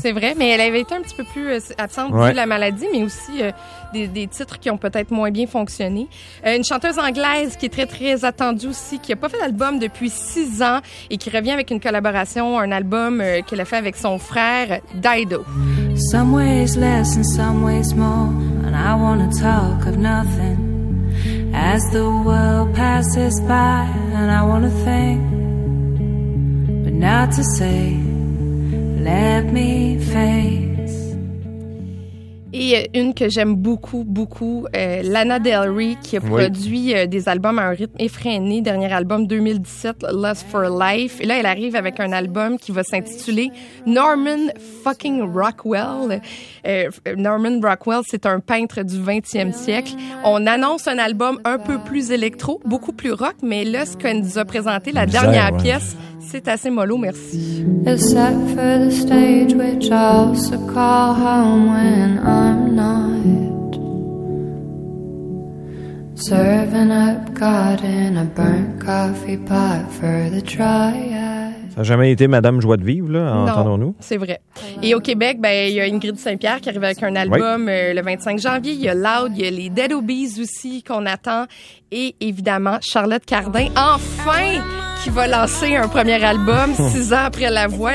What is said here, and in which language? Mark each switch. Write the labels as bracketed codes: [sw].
[fr] C'est vrai, mais elle avait été un petit peu plus absente, ouais, vu la maladie, mais aussi des titres qui ont peut-être moins bien fonctionné. Une chanteuse anglaise qui est très, très attendue aussi, qui n'a pas fait d'album depuis 6 ans et qui revient avec une collaboration, un album qu'elle a fait avec son frère, Dido. [en] Some ways less and some ways more, and I want to talk of nothing. As the world passes by, and I want to think, but not to say, let me face. [fr] Et une que j'aime beaucoup, beaucoup, Lana Del Rey, qui a, oui, produit des albums à un rythme effréné. Dernier album 2017, Lust for Life. Et là, elle arrive avec un album qui va s'intituler Norman fucking Rockwell. Norman Rockwell, c'est un peintre du 20e siècle. On annonce un album un peu plus électro, beaucoup plus rock, mais là, ce qu'elle nous a présenté, la dernière, ouais, pièce, c'est assez mollo, merci. [en] Except for the stage which also call home when I'm not serving up God in a burnt coffee pot for the triad. [fr] Ça n'a jamais été Madame Joie de vivre, là, non, entendons-nous. C'est vrai. Et au Québec, ben, il y a Ingrid Saint-Pierre qui arrive avec un album, oui, le 25 janvier. Il y a Loud, il y a les Dead Obies aussi qu'on attend. Et évidemment, Charlotte Cardin, enfin, qui va lancer un premier album 6 ans après La Voix.